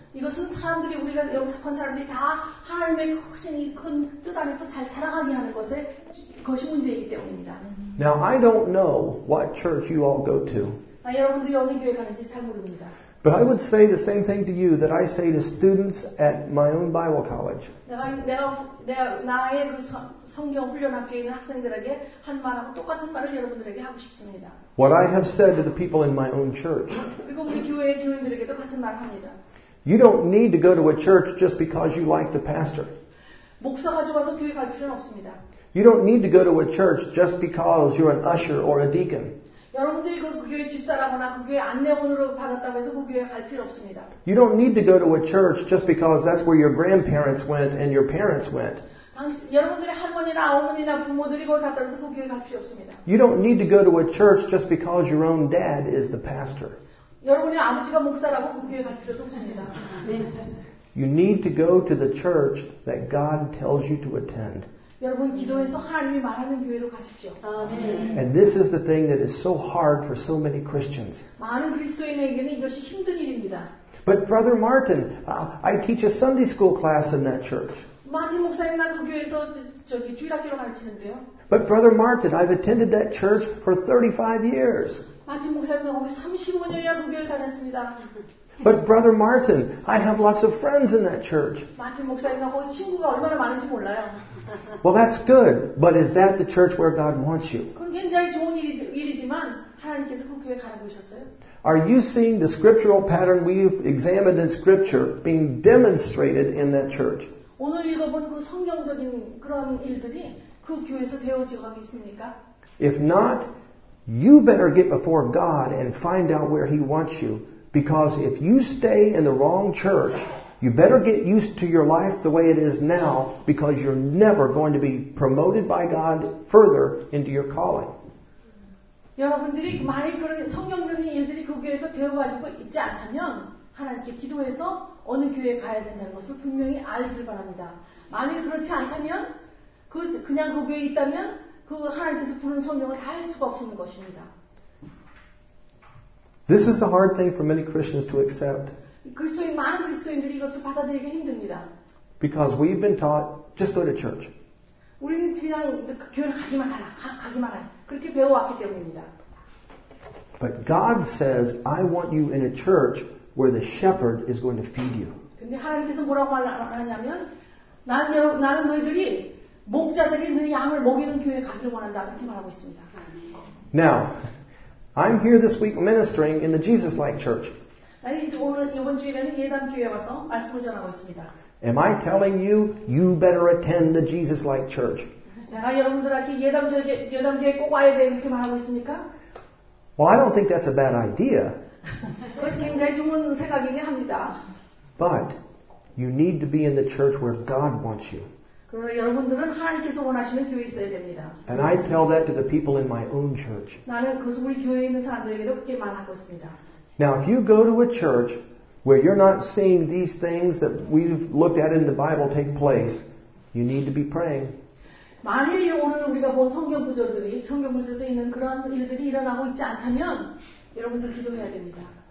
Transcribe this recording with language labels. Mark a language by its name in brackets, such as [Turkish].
[Korean] 이것은 사람들이 우리가 역습한 사람들이 다 하나님의 크신 이 큰 뜻 안에서 잘 자라가게 하는 것이 문제이기 때문입니다. [English] Now I don't know what church you all go to. [Korean] 아, 여러분들이 어느 교회 가는지 잘 모릅니다. [English] But I would say the same thing to you that I say to students at my own Bible college. [Korean] 나의 그 성경 훈련학교에 있는 학생들에게 한 말하고 똑같은 말을 여러분들에게 하고 싶습니다. [English] What I have said to the people in my own church. [Korean] 그리고 우리 교회의 교인들에게도 같은 말을 합니다. [English] You don't need to go to a church just because you like the pastor. [Korean] 목사가 좋아서 교회 갈 필요는 없습니다. [English] You don't need to go to a church just because you're an usher or a deacon. [Korean] 여러분들이 그 교회 집사라거나 그 교회 안내원으로 받았다고 해서 그 교회에 갈 필요 없습니다. [English] You don't need to go to a church just because that's where your grandparents went and your parents went. [Korean] 여러분들의 할머니나 어머니나 부모들이 거기 갔다 와서 그 교회에 갈 필요 없습니다. [English] You don't need to go to a church just because your own dad is the pastor. [Korean] 여러분의 아버지가 목사라고 그 교회에 갈 필요도 없습니다. [English] You need to go to the church that God tells you to attend. [Korean] 여러분 기도해서 하나님이 말하는 교회로 가십시오. [English] And this is the thing that is so hard for so many Christians. [Korean] 많은 그리스도인에게는 이것이 힘든 일입니다. [English] But Brother Martin, I teach a Sunday school class in that church. [Korean] 마틴 목사님 나 그 교회에서 저기 주일학교를 가르치는데요. [English] But Brother Martin, I've attended that church for 35 years. [Korean] 마틴 목사님 나 거기 35년이나 그 교회를 다녔습니다. [English] But Brother Martin, I have lots of friends in that church. [Korean] 마틴 목사님 나 거기 친구가 얼마나 많은지 몰라요. [English] Well, that's good, but is that the church where God wants you? [Korean] 그건 굉장히 좋은 일이지만 하나님께서 그 교회 가라고 하셨어요? [English] Are you seeing the scriptural pattern we've examined in Scripture being demonstrated in that church? [Korean] 오늘 읽어본 그 성경적인 그런 일들이 그 교회에서 되어지고 있습니까? [English] If not, you better get before God and find out where He wants you. Because if you stay in the wrong church, you better get used to your life the way it is now, because you're never going to be promoted by God further into your calling. [Korean] 여러분들이 만약 그런 성경적인 일들이 그 교회에서 되어가지고 있지 않다면 하나님께 기도해서 어느 교회에 가야 된다는 것을 분명히 알기를 바랍니다. 만약 그렇지 않다면 그 그냥 그 교회에 있다면 그 하나님께서 부른 성경을 다 할 수가 없는 것입니다. [English] This is a hard thing for many Christians to accept. [Korean] 그리스도인 많은 그리스도인들이 이것을 받아들이기 힘듭니다. [English] Because we've been taught just go to church. [Korean] 우리는 그냥 교회를 가기만 하라, 가기만 하라 그렇게 배워왔기 때문입니다. [English] But God says, I want you in a church where the shepherd is going to feed you. [Korean] 근데 하나님께서 뭐라고 말하냐면, 나는 너희들이 목자들이 너희 양을 먹이는 교회 가기를 원한다 이렇게 말하고 있습니다. [English] Now, I'm here this week ministering in the Jesus-like church. [Korean] 이번 주일에는 예단 교회에 와서 말씀을 전하고 있습니다. [English] Am I telling you, you better attend the Jesus-like church? [Korean] 내가 여러분들한테 예단 교회 꼭 와야 돼 이렇게 말하고 있습니까? [English] Well, I don't think that's a bad idea. [Korean] 그것이 굉장히 좋은 생각이긴 합니다. [English] But you need to be in the church where God wants you. [Korean] 그러나 여러분들은 하나님께서 원하시는 교회에 있어야 됩니다. [English] And I tell that to the people in my own church. [Korean] 나는 그것 우리 교회에 있는 사람들에게도 그렇게 말하고 있습니다. [English] Now, if you go to a church where you're not seeing these things that we've looked at in the Bible take place, you need to be praying. [Korean] 만일 오늘 우리가 본 성경 구절들이 성경 구절에 있는 그런 일들이 일어나고 있지 않다면 여러분들 기도해야 됩니다.